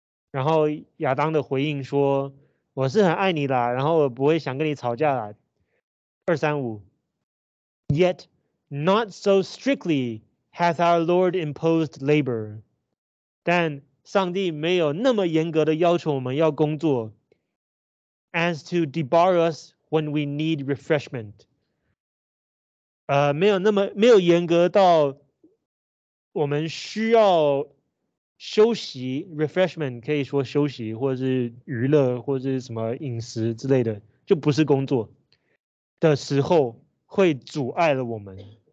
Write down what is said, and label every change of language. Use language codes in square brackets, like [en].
[zh] 然后亚当的回应说，我是很爱你的，然后我不会想跟你吵架了。 [en] 235 Yet not so strictly hath our Lord imposed labor. [zh] 但上帝没有那么严格的要求我们要工作。 [en] As to debar us when we need refreshment. [zh] 没有那么没有严格到我们需要休息 refreshment 可以说休息或者是娱乐或者是什么饮食之类的，就不是工作的时候会阻碍了我们。